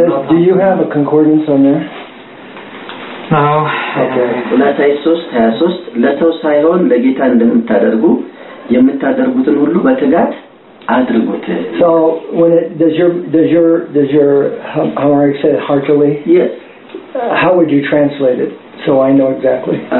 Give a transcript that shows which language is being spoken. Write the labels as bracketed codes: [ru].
[en] Do you have a concordance on there? [am] አዎ ለታይ 323 ለተው ሳይሆን ለጌታ እንደምታደርጉ የምታደርጉትን ሁሉ በትጋት አድርጉት. [en] So when it, does your heartily? Yes. How would you translate it so I know exactly?